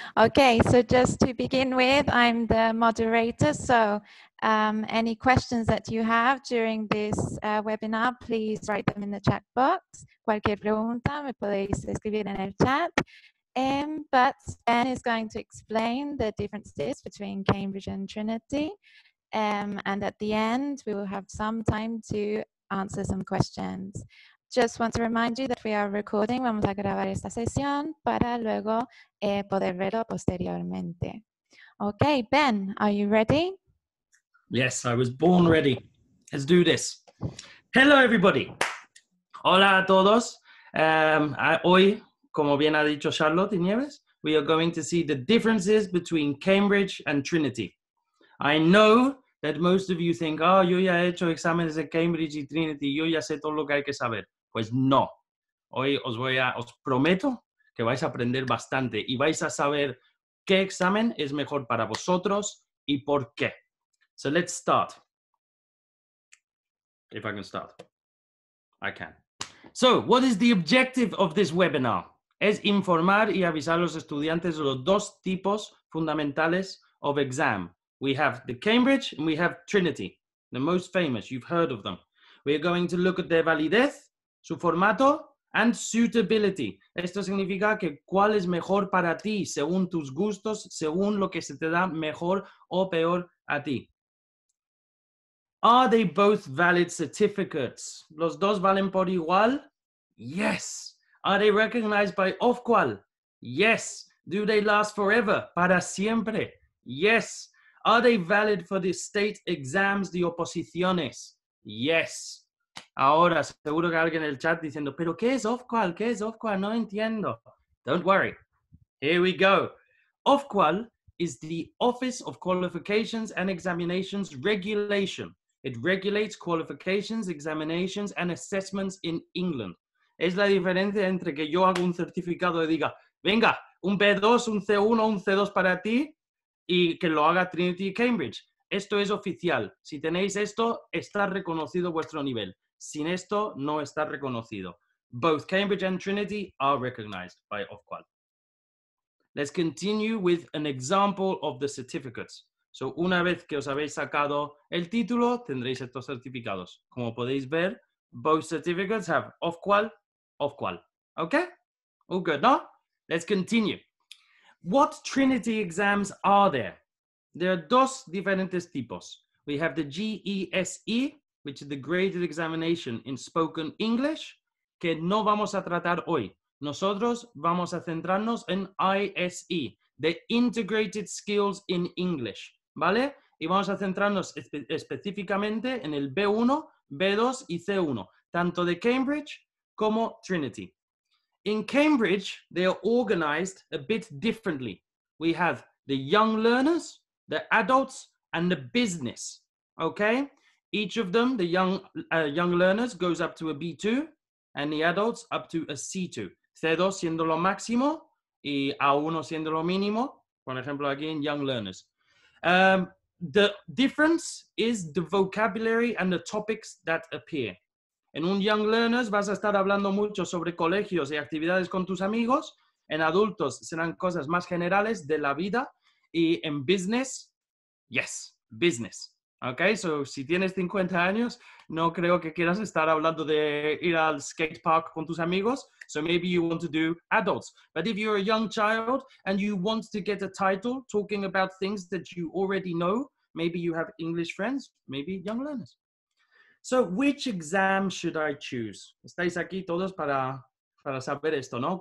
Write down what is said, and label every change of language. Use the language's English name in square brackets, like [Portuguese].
[English] Okay, so just to begin with, I'm the moderator. So any questions that you have during this webinar, please write them in the chat box. [Spanish] Cualquier pregunta me podéis escribir en el chat. [English] But Ben is going to explain the differences between Cambridge and Trinity. And at the end, we will have some time to answer some questions. Just want to remind you that we are recording. [Spanish] Vamos a grabar esta sesión para luego poder verlo posteriormente. [English] Okay, Ben, are you ready? Yes, I was born ready. Let's do this. Hello, everybody. [Spanish] Hola a todos. Hoy, como bien ha dicho Charlotte y Nieves, [English] we are going to see the differences between Cambridge and Trinity. I know that most of you think, oh, [Spanish] yo ya he hecho exámenes de Cambridge y Trinity, yo ya sé todo lo que hay que saber. Pues no. Hoy os prometo que vais a aprender bastante y vais a saber qué examen es mejor para vosotros y por qué. [English] So let's start. If I can start. I can. So, what is the objective of this webinar? [Spanish] Es informar y avisar a los estudiantes de los dos tipos fundamentales [English] of exam. We have the Cambridge and we have Trinity, the most famous, you've heard of them. We are going to look at their [Spanish] validez, su formato, [English] and suitability. [Spanish] Esto significa que cuál es mejor para ti, según tus gustos, según lo que se te da mejor o peor a ti. [English] Are they both valid certificates? [Spanish] ¿Los dos valen por igual? [English] Yes. Are they recognized by OFICIALES? Yes. Do they last forever? [Spanish] Para siempre. [English] Yes. Are they valid for the state exams, the oposiciones? Yes. [Spanish] Ahora, seguro que alguien en el chat diciendo, ¿pero qué es OFICIALES? ¿Qué es OFICIALES? No entiendo. [English] Don't worry. Here we go. OFICIALES is the Office of Qualifications and Examinations Regulation. It regulates qualifications, examinations, and assessments in England. [Spanish] Es la diferencia entre que yo hago un certificado y diga, venga, un B2, un C1, un C2 para ti, y que lo haga Trinity Cambridge. Esto es oficial. Si tenéis esto, está reconocido vuestro nivel. Sin esto, no está reconocido. [English] Both Cambridge and Trinity are recognized by OFICIALES. Let's continue with an example of the certificates. [Spanish] So, una vez que os habéis sacado el título, tendréis estos certificados. Como podéis ver, [English] both certificates have [Spanish] OFICIALES. [English] Okay? All good, no? Let's continue. What Trinity exams are there? There are [Spanish] dos diferentes tipos. [English] We have the GESE, which is the graded examination in spoken English, [Spanish] que no vamos a tratar hoy. Nosotros vamos a centrarnos en ISE, the Integrated Skills in English, ¿vale? Y vamos a centrarnos específicamente en el B1, B2 y C1, tanto de Cambridge como Trinity. [English] in Cambridge, they are organized a bit differently. We have the young learners, the adults, and the business, okay? Each of them, the young learners, goes up to a B2, and the adults up to a C2. [Spanish] C2 siendo lo máximo, y A1 siendo lo mínimo. [English] For example, again, young learners. The difference is the vocabulary and the topics that appear. [Spanish] En un young learners vas a estar hablando mucho sobre colegios y actividades con tus amigos. En adultos serán cosas más generales de la vida. Y en business, yes, business. [English] Okay, so [Spanish] si tienes 50 años, no creo que quieras estar hablando de ir al skate park con tus amigos. [English] So maybe you want to do adults. But if you're a young child and you want to get a title talking about things that you already know, maybe you have English friends, maybe young learners. So which exam should I choose? [Spanish] Estáis aquí todos para saber esto, ¿no?